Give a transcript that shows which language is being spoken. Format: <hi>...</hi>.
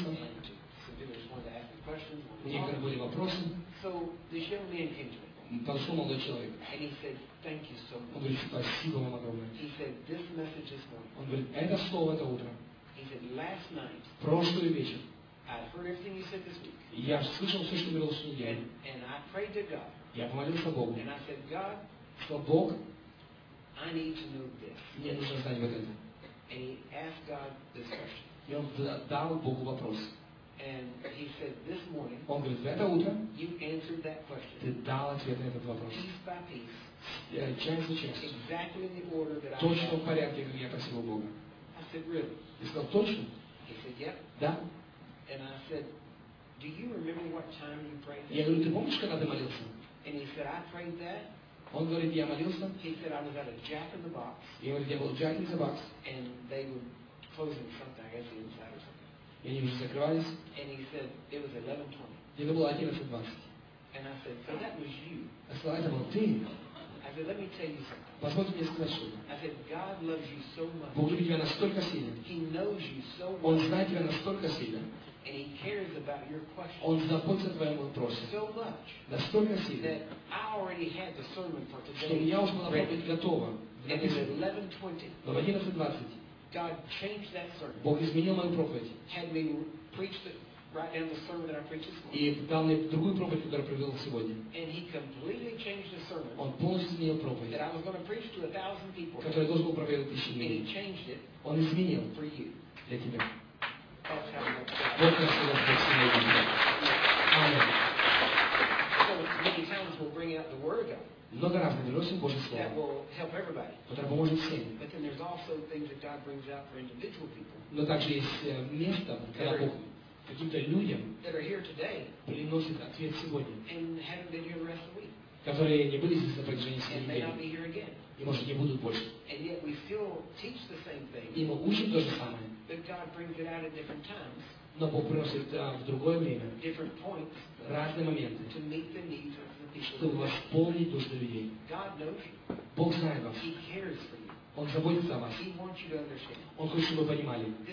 <en>And some people just wanted to ask me questions.</en> <ru>Некоторые были вопросы.</ru> <en>So this young man came to me.</en> <ru>Подошел молодой человек.</ru> <en>And he said, thank you so much.</en> <ru>Он говорит, спасибо вам огромное.</ru> <en>He said, this message this morning.</en> <ru>Он говорит, это слово, это утро.</ru> <en>He said, last night.</en> <ru>Прошлый вечер.</ru> <en>I heard everything you said this week.</en> <ru>Я слышал все, что говорил сегодня.</ru> <en>And I prayed to God.</en> <ru>Я помолился Богу.</ru> <en>And I said, God,</en> <ru>что Бог,</ru> <en>I need to know this.</en> <ru>Мне нужно знать вот это.</ru> <en>And he asked God this question.</en> <ru>И он дал Богу вопрос.</ru> <en>And he said, this morning,</en> <ru>он говорит, в это утро</ru> <en>you answered that question,</en> <ru>ты дал ответ на этот вопрос.</ru> <en>Piece by piece,</en> <ru>часть за часть.</ru> <en>Exactly in the order that</en> <ru>точно</ru> <en>I had.</en> <ru>В порядке, как я просил у Бога.</ru> <en>I said, really?</en> <ru>И сказал, точно?</ru> <en>He said, yep.</en> <ru>Да.</ru> <en>And I said, do you remember what time you prayed?</en> <ru>Я говорю, ты помнишь, когда ты молился?</ru> <en>And he said, I prayed that.</en> <ru>Он говорит, я молился.</ru> <en>He said, I was at a Jack in the Box.</en> <ru>И говорит, я был Jack in the Box.</ru> <en>And they were closing something, I guess, inside or something.</en> <ru>И они уже закрывались.</ru> <en>And he said, it was 11:20.</en> <ru>И это было 11:20.</ru> <en>And I said, so that was you.</en> <ru>Я сказал, это был ты.</ru> <en>I said, let me tell you something.</en> <ru>Позвольте мне сказать что-то.</ru> <en>I said, God loves you so much.</en> <ru>Бог любит тебя настолько сильно.</ru> <en>He knows you so much.</en> <ru>Он знает тебя настолько сильно.</ru> <en>And he cares about your question.</en> <ru>Он заботится о твоем вопросе.</ru> <en>So much.</en> <ru>Настолько сильно.</ru> <en>That I already had the sermon for today.</en> <ru>Что у меня уже была проповедь готова.</ru> <en>And it was 11:20.</en> <ru>Но в 11:20.</ru> <en>God changed that sermon.</en> <ru>Бог изменил мою проповедь.</ru> <en>Had me preach the right down the sermon that I preached this morning.</en> <ru>И дал мне другую проповедь, которую я проповедовал сегодня.</ru> <en>And he completely changed the sermon.</en> <ru>Он полностью изменил проповедь.</ru> <en>That I was going to preach to 1,000 people.</en> <ru>Которую я должен был проповедовать тысячи людей.</ru> <en>And he changed it.</en> <ru>Он изменил.</ru> <en>For you.</en> <ru>Для тебя.</ru> <en>God,</en> <ru>Бог просил вас быть сегодня. Аминь.</ru> <en>So many times we'll bring out the word of God.</en> <ru>Много раз мы берем Божье Слово,</ru> <en>that will help everybody.</en> <ru>Которое поможет всем.</ru> <en>But then there's also things that God brings out for individual people.</en> <ru>Но также есть место, когда Бог каким-то людям</ru> <en>that are here today,</en> <ru>приносит ответ сегодня.</ru> <en>And haven't been here the rest of the week.</en> <ru>Которые не были здесь на протяжении 7 недель.</ru> <en>And may not be here again.</en> <ru>И, может, не будут больше.</ru> <en>And yet we still teach the same thing,</en> <ru>и мы учим то же самое.</ru> <en>But God brings it out at different times.</en> <ru>Но Бог приносит в другое время.</ru> <en>Different points,</en> <ru>разные моменты.</ru> <en>To meet the needs of,</en> <ru>чтобы восполнить нужды людей. Бог знает вас. Он заботится о вас. Он хочет, чтобы вы понимали.</ru>